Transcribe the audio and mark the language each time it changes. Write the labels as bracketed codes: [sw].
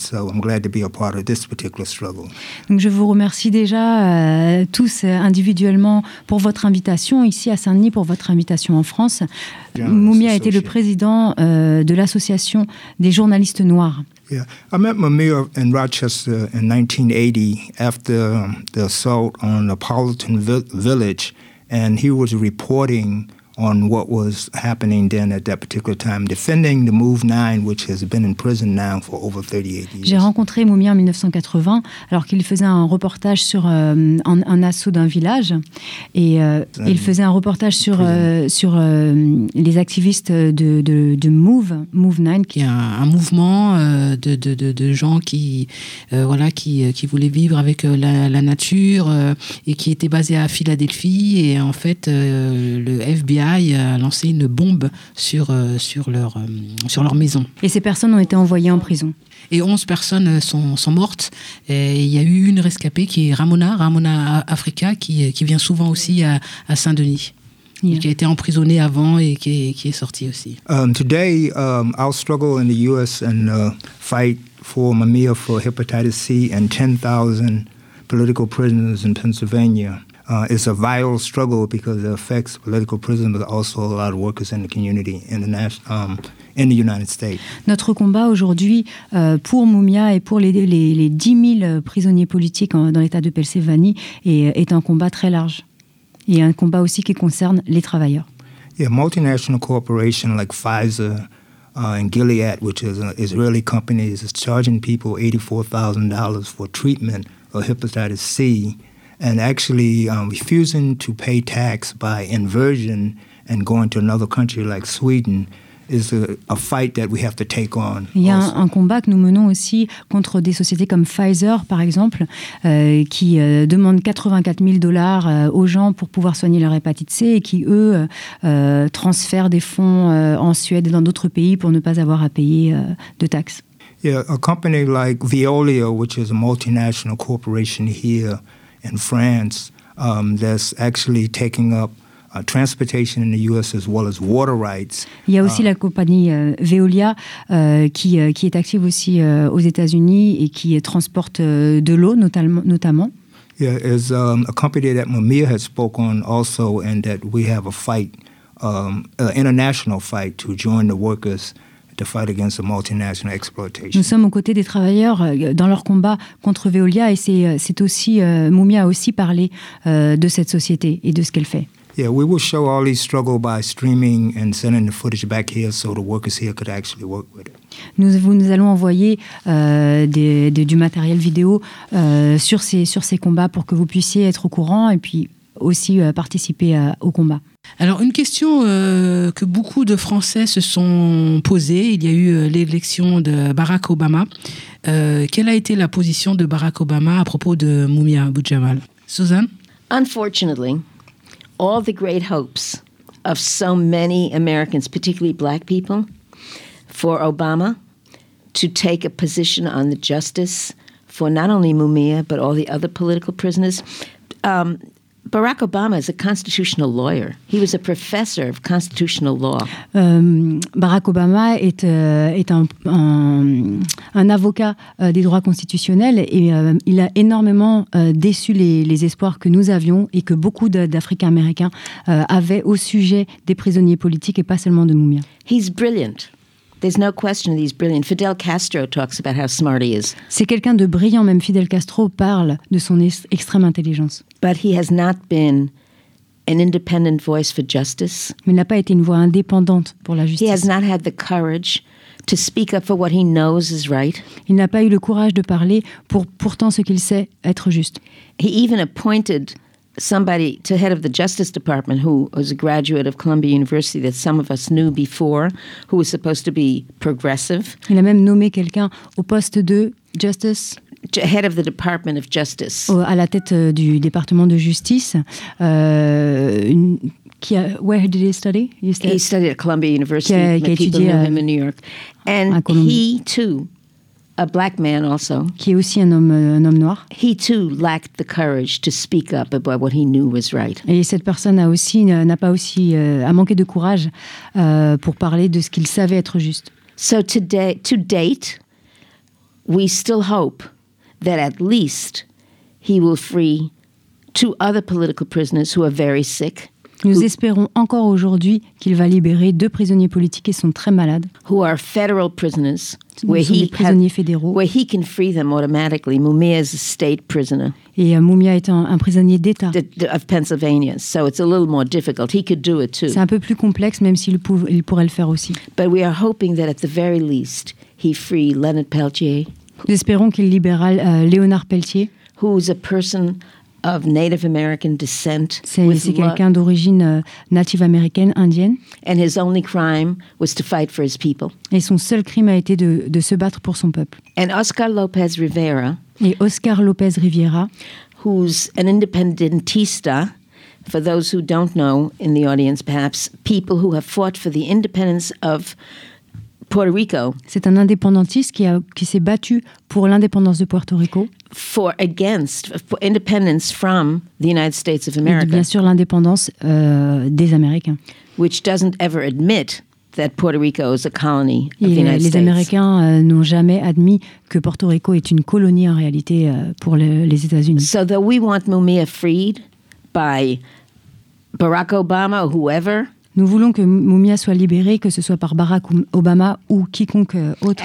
[en] So I'm glad to be a part of this particular struggle. [fr] Donc je vous remercie déjà tous individuellement pour votre invitation ici à Saint-Denis, pour votre invitation en France. Mumia a été le président de l'association des journalistes noirs. [en] Yeah, I met Mumia in Rochester in 1980 after the assault on a Powhatan village, and he was reporting on what was happening then at that particular time, defending the Move 9, which has been in prison now for over 38 years. [fr] J'ai rencontré Mumia en 1980, alors qu'il faisait un reportage sur un assaut d'un village, et il faisait un reportage sur les activistes de Move 9, qui est un mouvement de gens qui voulaient vivre avec la nature et qui était basé à Philadelphie, et en fait le FBI a lancé une bombe sur leur maison. Et ces personnes ont été envoyées en prison. Et 11 personnes sont mortes. Et il y a eu une rescapée qui est Ramona Africa, qui vient souvent aussi à Saint-Denis. Yeah. Qui a été emprisonnée avant et qui est sortie aussi. [en] Today, our struggle in the U.S. and the fight for Mumia for hepatitis C and 10,000 political prisoners in Pennsylvania. It's a vital struggle because it affects political prisoners, but also a lot of workers in the community in the in the United States. [fr] Notre combat aujourd'hui pour Mumia et pour les 10 000 prisonniers politiques dans l'État de Pennsylvanie est un combat très large. Et un combat aussi qui concerne les travailleurs. [en] Yeah, multinational corporations like Pfizer and Gilead, which is an Israeli company, is charging people $84,000 for treatment of hepatitis C. And actually refusing to pay tax by inversion and going to another country like Sweden is a fight that we have to take on. [fr] Il y a un combat que nous menons aussi contre des sociétés comme Pfizer, par exemple, qui demandent $84,000 aux gens pour pouvoir soigner leur hépatite C et qui, eux, transfèrent des fonds en Suède et dans d'autres pays pour ne pas avoir à payer de taxes. [en] Yeah, a company like Veolia, which is a multinational corporation here, in France, that's actually taking up transportation in the U.S. as well as water rights. [fr] Il y a aussi la compagnie Veolia qui est active aussi aux États-Unis et qui transporte de l'eau notamment. [en] Yeah, it's a company that Mumia has spoken also, and that we have a fight, an international fight to join the workers to fight against the multinational exploitation. [fr] Nous sommes aux côtés des travailleurs dans leur combat contre Veolia, et c'est aussi Mumia a aussi parlé de cette société et de ce qu'elle fait. [en] Yeah, we will show all these struggles by streaming and sending the footage back here so the workers here could actually work with it. [fr] Nous allons envoyer du matériel vidéo sur ces combats pour que vous puissiez être au courant et puis aussi participer au combat. Alors, une question que beaucoup de Français se sont posées, il y a eu l'élection de Barack Obama. Quelle a été la position de Barack Obama à propos de Mumia Abu-Jamal? Suzanne? [en] Unfortunately, all the great hopes of so many Americans, particularly black people, for Obama to take a position on the justice for not only Mumia, but all the other political prisoners, Barack Obama is a constitutional lawyer. He was a professor of constitutional law. [fr] Barack Obama est un avocat des droits constitutionnels, et il a énormément déçu les espoirs que nous avions et que beaucoup d'Africains-Américains avaient au sujet des prisonniers politiques et pas seulement de Mumia. [en] He's brilliant. There's no question that he's brilliant. Fidel Castro talks about how smart he is. [fr] C'est quelqu'un de brillant, même Fidel Castro parle de son extrême intelligence. [en] But he has not been an independent voice for justice. [fr] Mais il n'a pas été une voix indépendante pour la justice. [en] He has not had the courage to speak up for what he knows is right. [fr] Il n'a pas eu le courage de parler pour pourtant ce qu'il sait être juste. [en] He even appointed somebody to head of the Justice Department who was a graduate of Columbia University that some of us knew before, who was supposed to be progressive. [fr] Il a même nommé quelqu'un au poste de Justice. [en] Head of the Department of Justice. [fr] À la tête du département de justice. [en] Where did he study? He studied at Columbia University. [fr] Qui a étudié à [en] him in New York. And he too, a black man also. [fr] Qui est aussi un homme noir. [en] He too lacked the courage to speak up about what he knew was right. [fr] Et cette personne a manqué de courage pour parler de ce qu'il savait être juste. [en] So today, to date, we still hope that at least he will free two other political prisoners who are very sick. [fr] Nous espérons encore aujourd'hui qu'il va libérer deux prisonniers politiques qui sont très malades. [en] Who are federal prisoners, where he [fr] sont des prisonniers fédéraux. [en] Where he can free them automatically. Mumia is a state prisoner. [fr] Et Mumia est un prisonnier d'État. [en] Of Pennsylvania, so it's a little more difficult. He could do it too. [fr] C'est un peu plus complexe, même s'il il pourrait le faire aussi. [en] But we are hoping that at the very least, he free Leonard Peltier. [fr] Nous espérons qu'il libérera Léonard Peltier. [en] Who is a person of Native American descent. [fr] C'est quelqu'un d'origine native américaine, indienne. [en] And his only crime was to fight for his people. [fr] Et son seul crime a été de se battre pour son peuple. [en] And Oscar Lopez Rivera. [fr] Et Oscar Lopez Rivera. [en] Who's an independentista, for those who don't know in the audience perhaps, people who have fought for the independence of Puerto Rico. [fr] C'est un indépendantiste qui s'est battu pour l'indépendance de Puerto Rico. [en] For independence from the United States of America. [fr] Et bien sûr l'indépendance des Américains. [en] Which doesn't ever admit that Puerto Rico is a colony of the United [fr] States. Les Américains n'ont jamais admis que Puerto Rico est une colonie en réalité pour les États-Unis. [en] So though we want Mumia freed by Barack Obama or whoever. [fr] Nous voulons que Mumia soit libérée, que ce soit par Barack Obama ou quiconque autre.